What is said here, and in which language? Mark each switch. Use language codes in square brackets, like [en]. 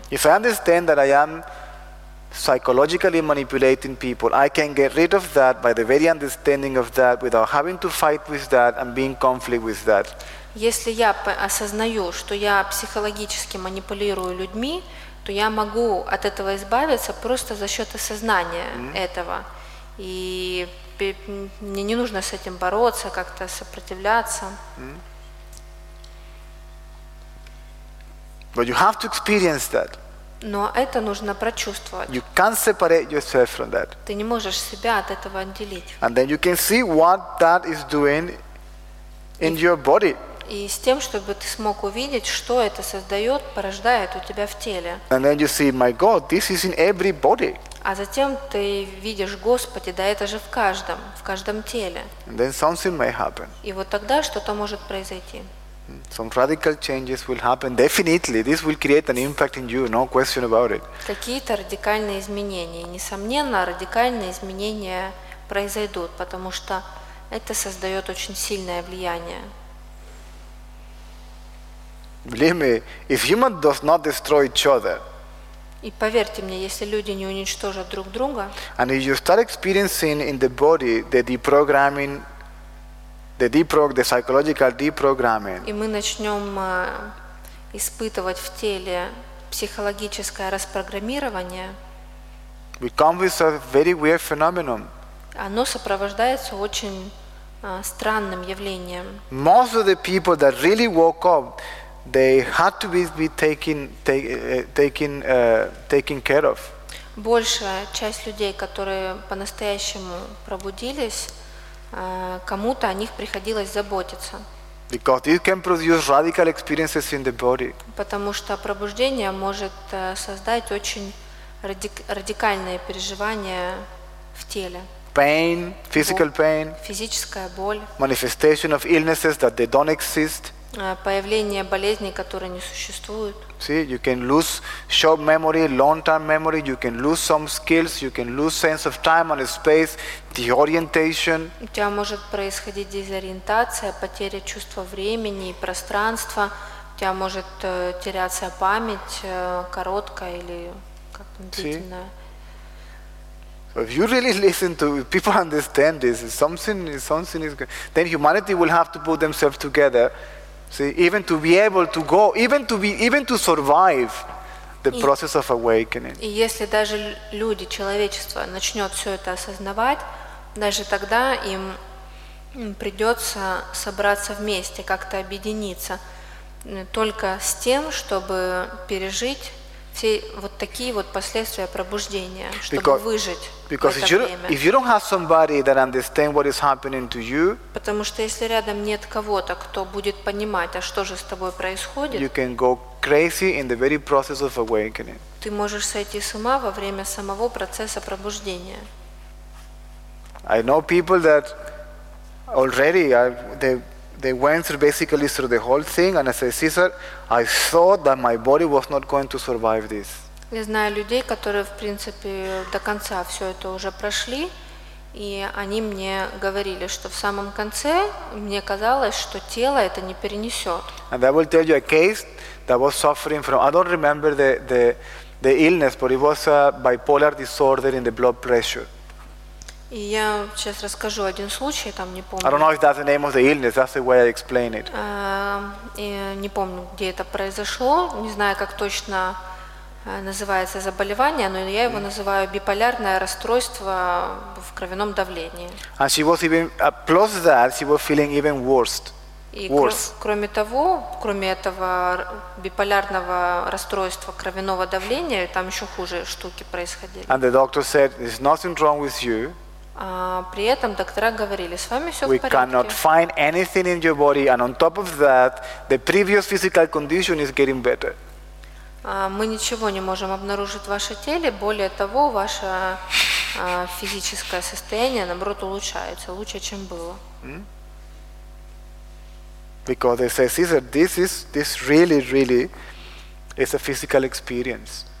[en] If I understand that I am psychologically manipulating people, I can get rid of that by the very understanding of that without having to fight with that and being in conflict with that. [ru] Если я осознаю, что я психологически манипулирую людьми, то я могу от этого избавиться просто за счет осознания этого. И мне не нужно с этим бороться, как-то сопротивляться. [en] But you have to experience that. [ru] Но это нужно прочувствовать. [en] You can't separate yourself from that. [ru] Ты не можешь себя от этого отделить. [en] And then you can see what that is doing in your body. [ru] И с тем, чтобы ты смог увидеть, что это создает, порождает у тебя в теле. [en] And then you see, my God, this is in every body. [ru] А затем ты видишь, Господи, да это же в каждом теле. [en] And then something may happen. [ru] И вот тогда что-то может произойти. [en] Some radical changes will happen. Definitely, this will create an impact in you, no question about it. [ru] Какие-то радикальные изменения, несомненно, радикальные изменения произойдут, потому что это создает очень сильное влияние. [en] Believe me, if human does not destroy each other, [ru] и поверьте мне, если люди не уничтожат друг друга, [en] and if you start experiencing in the body the psychological deprogramming, [ru] и мы начнем испытывать в теле психологическое распрограммирование, [en] we come with a very weird phenomenon. [ru] Оно сопровождается очень странным явлением. [en] Most of the people that really woke up, they had to be taken care of. [ru] Большая часть людей, которые по-настоящему пробудились, кому-то о них приходилось заботиться. [en] Because it can produce radical experiences in the body. [ru] Потому что пробуждение может создать очень радикальные переживания в теле. [en] Pain, physical pain. [ru] Физическая боль. [en] Manifestation of illnesses that they don't exist. [ru] Появление болезней, которые не существуют. [en] See, you can lose short memory, long-term memory, you can lose some skills, you can lose sense of time and space, disorientation. [ru] У тебя может происходить дезориентация, потеря чувства времени и пространства, у тебя может теряться память, короткая или как-то длительная. [en] So if you really listen to people understand this, something is good. Then humanity will have to put themselves together. See, even to be able to go, even to survive the process of awakening. [ru] И если даже люди, человечество начнет все это осознавать, даже тогда им придется собраться вместе, как-то объединиться, только с тем, чтобы пережить все вот такие вот последствия пробуждения, чтобы выжить. [en] Because if you don't have somebody that understands what is happening to you, [ru] потому что если рядом нет кого-то, кто будет понимать, а что же с тобой происходит, [en] you can go crazy in the very process of awakening. [ru] Ты можешь сойти с ума во время самого процесса пробуждения. [en] I know people that already they went through basically through the whole thing, and as a Caesar, I thought that my body was not going to survive this. [ru] Я знаю людей, которые, в принципе, до конца все это уже прошли, и они мне говорили, что в самом конце мне казалось, что тело это не перенесет. [en] And I will tell you a case that was suffering from, I don't remember the illness, but it was a bipolar disorder in the blood pressure. [ru] И я сейчас расскажу один случай, там не помню. [en] I don't know if that's the name of the illness, that's the way I explain it. [ru] Не помню, где это произошло, не знаю, как точно называется заболевание, но я его называю биполярное расстройство в кровяном давлении. [en] And she was even, plus that, she was feeling even worse. [ru] И кроме этого биполярного расстройства кровяного давления, там еще хуже штуки происходили. [en] And the doctor said, there's nothing wrong with you. [ru] При этом доктора говорили, с вами все в порядке. [en] We cannot find anything in your body, and on top of that, the previous physical condition is getting better. [ru] Мы ничего не можем обнаружить в вашем теле, более того, ваше физическое состояние, наоборот, улучшается, лучше, чем было. [en] Because they say, sister, this really is a physical experience.